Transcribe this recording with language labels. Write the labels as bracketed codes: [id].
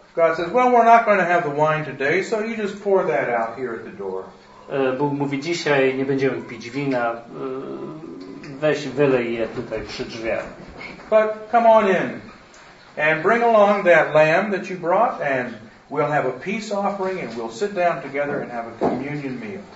[en] God says, well, we're not going to have the wine today, so you just pour that out here at the door. [pl] Bóg mówi, dzisiaj nie będziemy pić wina, weź wylej je tutaj przy drzwiach. [en] But come on in and bring along that lamb that you brought and we'll have a peace offering and we'll sit down together and have a communion meal.